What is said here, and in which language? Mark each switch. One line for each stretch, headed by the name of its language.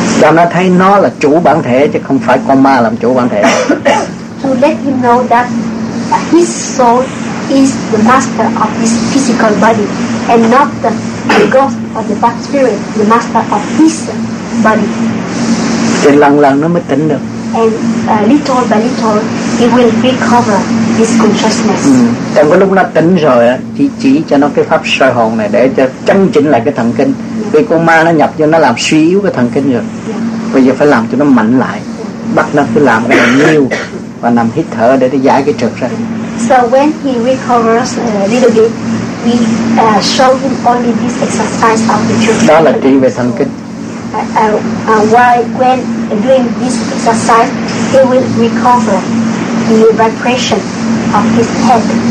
Vietnamese: Cho nó thấy nó là chủ bản thể chứ không phải con ma làm chủ bản thể.
English: To let him know that his soul is the master of his physical body and not the ghost or the bad spirit, the master of his body.
Vietnamese: Thì lần lần nó mới tỉnh được.
English: And little by little, it will recover his consciousness.
Vietnamese: Trong cái lúc nó tỉnh rồi á, chỉ cho nó cái pháp soi hồn này để cho chấn chỉnh lại cái thần kinh. Vì con ma nó nhập vô nó làm suy yếu cái thần kinh rồi. Bây giờ phải làm cho nó mạnh lại. Bắt nó cứ làm cái nhiêu và nằm hít thở để nó giải cái trực ra.
English: So when he recovers a little bit, we show him only this exercise of the trực.
Vietnamese: Đó là trị về thần kinh.
English: When doing this exercise, he will recover the vibration of his head.